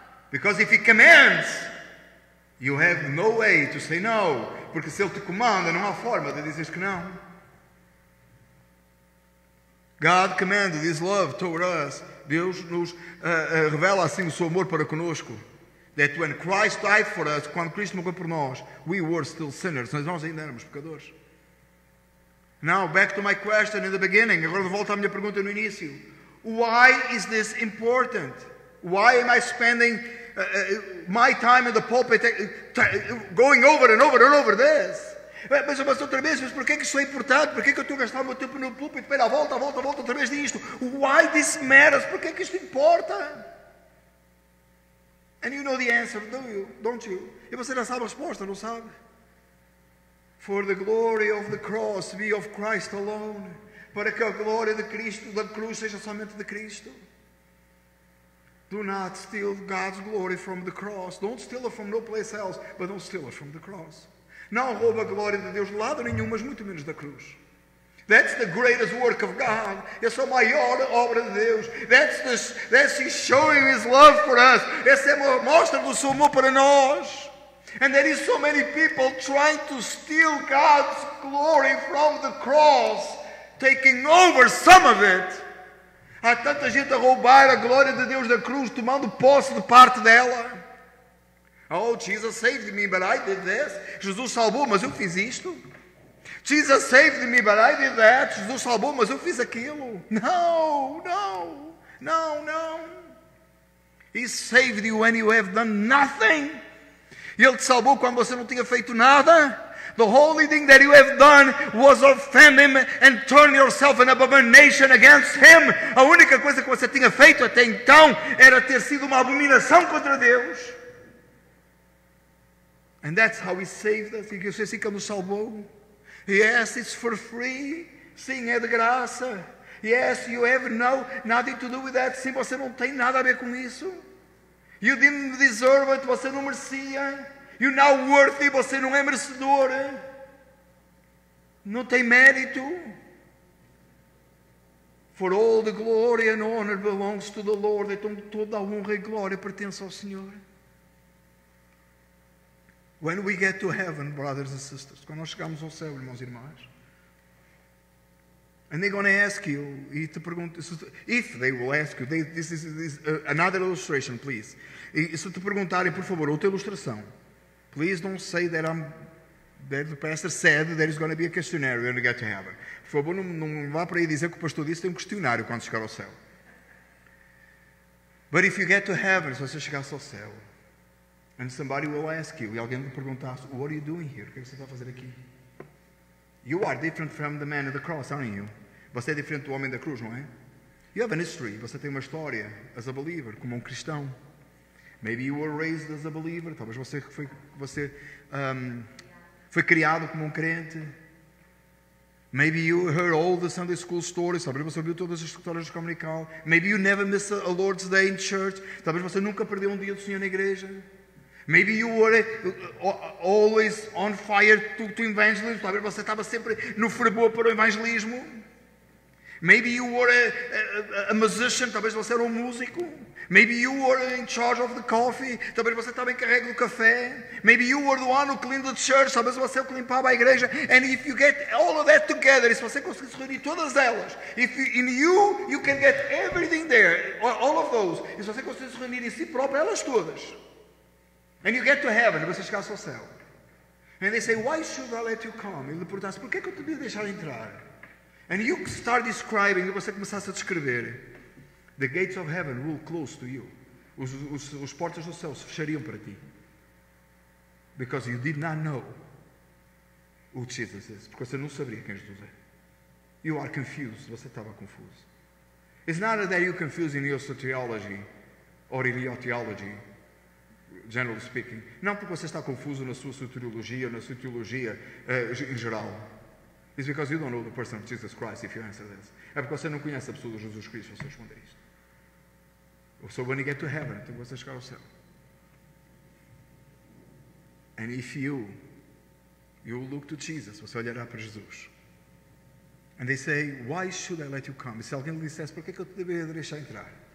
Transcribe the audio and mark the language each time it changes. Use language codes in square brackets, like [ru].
[en] Because if he commands, you have no way to say no. [pt] Porque se ele te comanda, não há forma de dizer que não. [en] God commanded his love toward us. [pt] Deus nos revela assim o seu amor para conosco. [en] That when Christ died for us, [pt] quando Cristo morreu por nós, [en] we were still sinners. [pt] Nós ainda éramos pecadores. [en] Now, back to my question in the beginning. [pt] Agora volto à minha pergunta no início. [en] Why is this important? Why am I spending my time in the pulpit going over and over and over this? [pt] Mas outra vez, mas porquê que isso é importante? Porquê que eu estou a gastar o meu tempo no púlpito? Espera, volta outra vez disto. [en] Why this matters? [pt] Porquê que isto importa? [en] And you know the answer, don't you? [pt] E você já sabe a resposta, não sabe? [en] For the glory of the cross be of Christ alone. [pt] Para que a glória de Cristo, da cruz, seja somente de Cristo. [en] Do not steal God's glory from the cross. Don't steal it from no place else, but don't steal it from the cross. [pt] Não rouba a glória de Deus de lado nenhum, mas muito menos da cruz. [en] That's the greatest work of God. [pt] Essa é a maior obra de Deus. [en] That's He showing His love for us. [pt] Essa é a mostra do seu amor para nós. [en] And there is so many people trying to steal God's glory from the cross, taking over some of it. [pt] Há tanta gente a roubar a glória de Deus da cruz, tomando posse de parte dela. [en] Oh, Jesus saved me, but I did this. [pt] Jesus salvou, mas eu fiz isto. [en] Jesus saved me, but I did that. [pt] Jesus salvou, mas eu fiz aquilo. No. [en] He saved you when you have done nothing. [pt] Ele te salvou quando você não tinha feito nada. [en] The only thing that you have done was offend Him and turn yourself an abomination against Him. [pt] A única coisa que você tinha feito até então era ter sido uma abominação contra Deus. [en] And that's how He saved us. [pt] Que você sabe que nos salvou. [en] Yes, it's for free. [pt] Sim, é de graça. [en] Yes, you have nothing to do with that. [pt] Sim, você não tem nada a ver com isso. [en] You didn't deserve it. [pt] Você não merecia. [en] You're not worthy. [pt] Você não é merecedor. Não tem mérito. [en] For all the glory and honor belongs to the Lord. [pt] Então toda a honra e glória pertence ao Senhor. [en] When we get to heaven, brothers and sisters, [pt] quando nós chegamos ao céu, irmãos e irmãs, [en] and they're going to ask you, [pt] e te perguntam, [en] if they will ask you, this is another illustration, please. [pt] E se te perguntarem, por favor, outra ilustração, [en] please don't say that the pastor said that there is going to be a questionnaire when we get to heaven. [pt] Por favor, não vá para aí dizer que o pastor disse que tem um questionário quando chegar ao céu. [en] But if you get to heaven, [pt] se você chegasse ao céu, [en] and somebody will ask you, [pt] e alguém lhe perguntasse, [en] what are you doing here? [pt] O que você está a fazer aqui? [en] You are different from the man of the cross, aren't you? [pt] Você é diferente do homem da cruz, não é? [en] You have a history. [pt] Você tem uma história [en] as a believer, [pt] como um cristão. [en] Maybe you were raised as a believer. [pt] Talvez você foi criado como um crente. [en] Maybe you heard all the Sunday school stories. [pt] Talvez você ouviu todas as histórias de comunical. [en] Maybe you never missed a Lord's Day in church. [pt] Talvez você nunca perdeu um dia do Senhor na igreja. [en] Maybe you were always on fire to evangelism. [pt] Talvez você estava sempre no fervor para o evangelismo. [en] Maybe you were a musician. [pt] Talvez você era um músico. [en] Maybe you were in charge of the coffee. [pt] Talvez você estava encarregue do café. [en] Maybe you were the one who cleaned the church. [pt] Talvez você o que limpava a igreja. [en] And if you get all of that together, [pt] se você conseguisse reunir todas elas, [en] you can get everything there, all of those, [pt] se você conseguisse reunir em si próprio elas todas. [en] And you get to heaven, [pt] você chegasse ao céu. [en] And they say, why should I let you come? [pt] E ele perguntasse, por que eu te devia deixar entrar? [en] And you start describing, [pt] e você começasse a descrever, [en] the gates of heaven will close to you. [pt] Os portas do céu se fechariam para ti. [en] Because you did not know who Jesus is. [pt] Porque você não sabia quem Jesus é. [en] You are confused. [pt] Você estava confuso. [en] It's not that you're confused in your soteriology or in your theology, generally speaking. [pt] Não porque você está confuso na sua soteriologia, na sua teologia em geral. [en] It's because you don't know the person of Jesus Christ if you answer this. [pt] É porque você não conhece a pessoa de Jesus Cristo se você responder isto. [en] So when you get to heaven, [pt] então você chegar ao céu. [en] And if you look to Jesus, [pt] você olhará para Jesus. [en] And they say, why should I let you come? [pt] E se alguém lhe dissesse, por que eu te deveria deixar entrar?